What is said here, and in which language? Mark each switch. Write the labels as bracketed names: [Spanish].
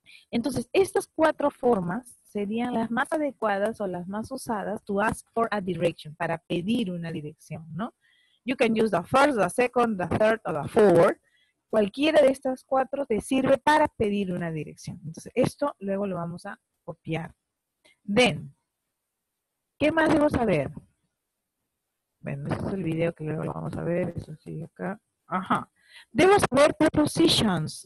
[Spanish] Entonces, estas cuatro formas serían las más adecuadas o las más usadas [English] to ask for a direction, [Spanish] para pedir una dirección, ¿no? [English] You can use the first, the second, the third, or the fourth. [Spanish] Cualquiera de estas cuatro te sirve para pedir una dirección. Entonces, esto luego lo vamos a copiar. Then, ¿qué más debo saber? Bueno, este es el video que luego lo vamos a ver. Eso sí, acá. Ajá. Debo saber prepositions.